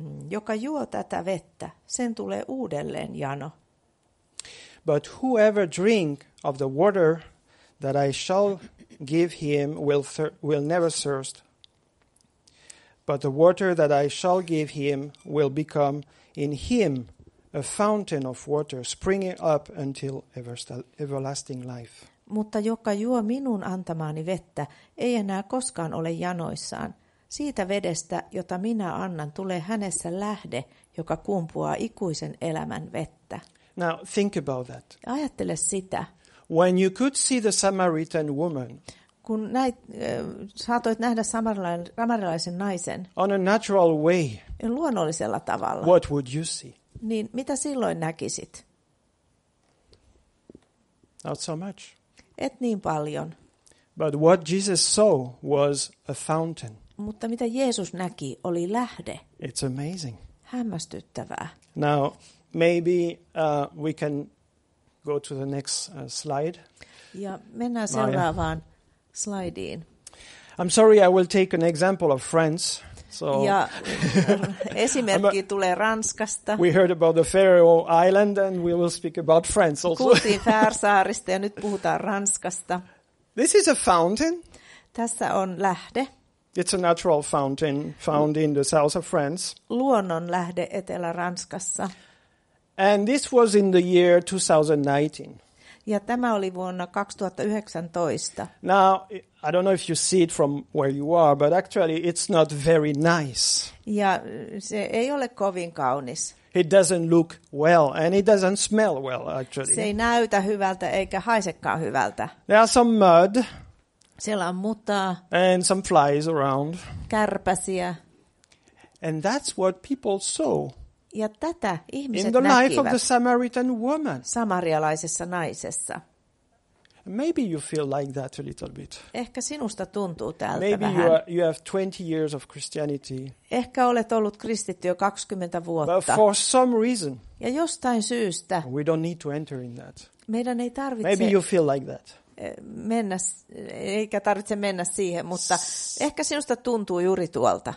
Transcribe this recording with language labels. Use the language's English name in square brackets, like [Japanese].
[Finnish] Joka juo tätä vettä, sen tulee uudelleen jano. [English] But whoever drink of the water that I shall give him will never thirst. But the water that I shall give him will become in him a fountain of water springing up until everlasting life. [Finnish] Mutta joka juo minun antamaani vettä, ei enää koskaan ole janoissaan. Siitä vedestä, jota minä annan, tulee hänessä lähde, joka kumpuaa ikuisen elämän vettä. [English] Now think about that. [Finnish] Ajattele sitä. [English] When you could see the Samaritan woman. [Finnish] Kun näit, saatoit nähdä samarilaisen naisen. [English] On a natural way. [Finnish] Luonnollisella tavalla. [English] What would you see? [Finnish] Niin mitä silloin näkisit? [English] Not so much. [Finnish] Et niin paljon. [English] But what Jesus saw was a fountain. [Finnish] Mutta mitä Jeesus näki oli lähde. [English] It's amazing. [Finnish] Hämmästyttävää. [English] Now maybe we can go to the next slide. [Finnish] Ja mennään seuraavaan slaidiin. [English] I'm sorry, I will take an example of France. So, [Finnish] ja esimerkki tulee Ranskasta. [English] We heard about the Faroe Island and we will speak about France also. [Finnish] Kuultiin Färsaarista ja nyt puhutaan Ranskasta. [English] This is a fountain. [Finnish] Tässä on lähde. [English] It's a natural fountain found in the south of France. [Finnish] Luonnon lähde Etelä-Ranskassa. [English] And this was in the year 2019. [Finnish] Ja tämä oli vuonna 2019. [English] Now, I don't know if you see it from where you are, but actually it's not very nice. [Finnish] Ja se ei ole kovin kaunis. [English] It doesn't look well and it doesn't smell well actually. [Finnish] Se ei näytä hyvältä eikä haisekaan hyvältä. [English] There are some mud. [Finnish] Siellä on mutaa. [English] And some flies around. [Finnish] Kärpäsiä. [English] And that's what people saw. [Finnish] Ja tätä ihmiset [English] in the life [Finnish] näkivät [English] of the Samaritan woman. [Finnish] Samarialaisessa naisessa. [English] Maybe you feel like that a little bit. [Finnish] Ehkä sinusta tuntuu tältä [English] maybe [Finnish] vähän. [English] You have 20 years of Christianity. [Finnish] Ehkä olet ollut kristitty jo 20 vuotta. [English] But for some reason. [Finnish] Ja jostain syystä. [English] We don't need to enter in that. [Finnish] Meidän ei tarvitse. [English] Maybe you feel like that. [Finnish] Mennä, eikä tarvitse mennä siihen, mutta ehkä sinusta tuntuu juuri tuolta.